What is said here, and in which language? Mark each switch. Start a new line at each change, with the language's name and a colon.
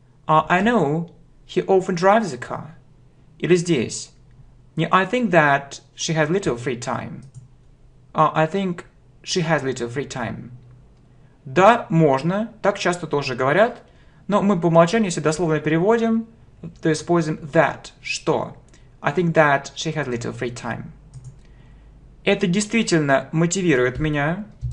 English: А I know he often drives a car.
Russian: Или здесь.
English: Не I think that she has little free time. А I think she has little free time.
Russian: Да, можно. Так часто тоже говорят. Но мы по умолчанию, если дословно переводим, то используем that, что.
English: I think that she has little free time.
Russian: Это действительно мотивирует меня.